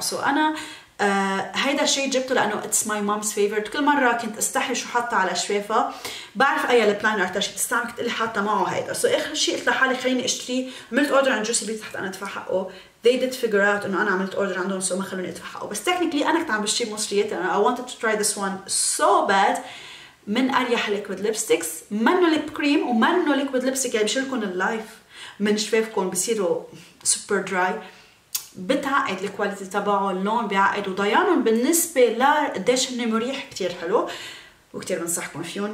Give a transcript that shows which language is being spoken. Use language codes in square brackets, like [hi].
[ar] سو انا هيدا الشيد جبته لانه [en] It's my mom's favourite. [ar] كل مره كنت استحي شو حاطه على شفافها، بعرف اي ليب لاينر تشي تستعمل، كنت قلي حاطه معه هيدا. سو اخر شيء قلت لحالي خليني اشتري، عملت اوردر عند جوسي بيوتي حتى انا ادفع حقه. [en] They did figure out [ar] انه انا عملت اوردر عندهم سو ما خلوني ادفع حقه، بس تكنيكلي انا كنت عم بشتري مصريات. انا [en] I wanted to try this one so bad. [ar] من اريح ليكويد ليبستكس، منه ليب كريم ومنه ليكويد ليبستك، يعني بشيلكم اللايف من شفافكم بصيروا سوبر دراي. بتعقد الكواليتي تبعه، اللون بيعقد، وضيانهم بالنسبه لقديش انه مريح كثير حلو، وكثير بنصحكم فيهم.